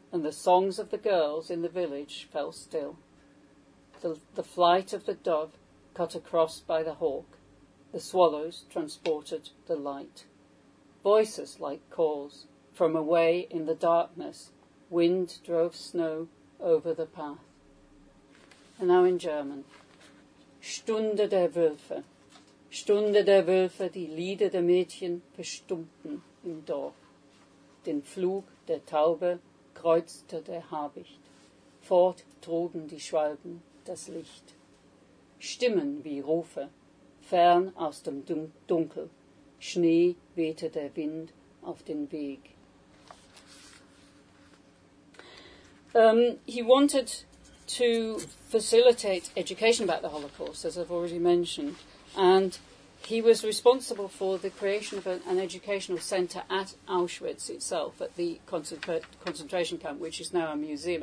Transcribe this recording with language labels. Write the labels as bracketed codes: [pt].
[en] And the songs of the girls in the village fell still. The flight of the dove cut across by the hawk. The swallows transported the light. Voices like calls from away in the darkness. Wind drove snow over the path. And now in German. [de] Stunde der Wölfe. Stunde der Wölfe, die Lieder der Mädchen verstummten im Dorf. Den Flug der Taube kreuzte der Habicht. Fort trugen die Schwalben das Licht. Stimmen wie Rufe, fern aus dem Dunkel. Schnee wehte der Wind auf den Weg. [en] He wanted to facilitate education about the Holocaust, as I've already mentioned. And he was responsible for the creation of an educational centre at Auschwitz itself, at the concentration camp, which is now a museum.